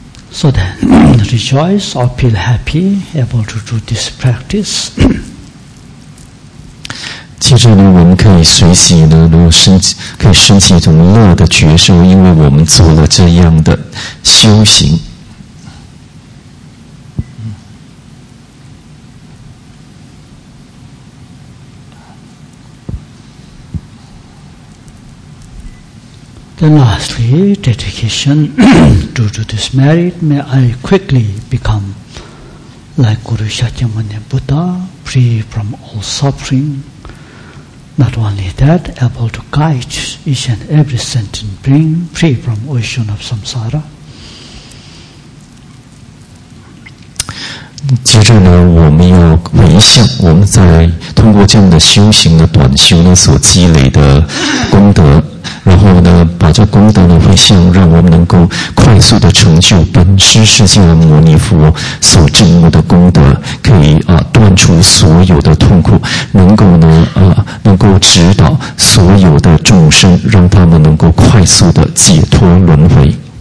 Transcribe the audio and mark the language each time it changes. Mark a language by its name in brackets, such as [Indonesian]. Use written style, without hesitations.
[English] So then, rejoice or feel happy, able to do this practice. [Chinese] 接着呢，我们可以随喜呢，能够升起，可以升起一种乐的觉受，因为我们做了这样的修行。 [English] Then lastly, dedication due to this merit, may I quickly become like Guru Shakyamuni Buddha, free from all suffering. Not only that, able to guide each and every sentient being, free from ocean of samsara. [Chinese] 接着呢，我们要回向我们在通过这样的修行的短修呢所积累的功德。然后呢，把这功德的回向，让我们能够快速的成就本师释迦牟尼佛所证悟的功德，可以啊断除所有的痛苦，能够呢啊能够指导所有的众生，让他们能够快速的解脱轮回。